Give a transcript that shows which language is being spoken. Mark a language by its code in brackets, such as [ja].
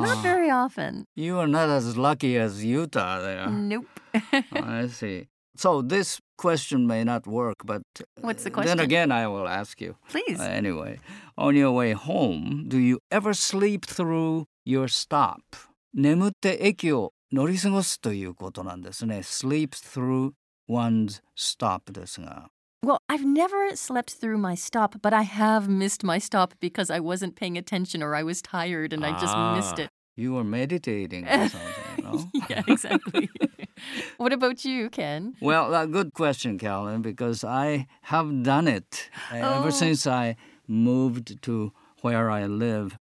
[en] Not very often. You are not as lucky as Utah there. Nope. I see. So this question may not work, but... What's the question? Then again, I will ask you. Please. Anyway, on your way home, do you ever sleep through your stop? [ja] 眠って駅を乗り過ごすということなんですね。 [en] Sleep through one's stop [ja] ですが。 [en] Well, I've never slept through my stop, but I have missed my stop because I wasn't paying attention or I was tired and I just missed it. You were meditating or something, no? Yeah, exactly. What about you, Ken? Well, good question, Carolyn, because I have done it ever since I moved to where I live.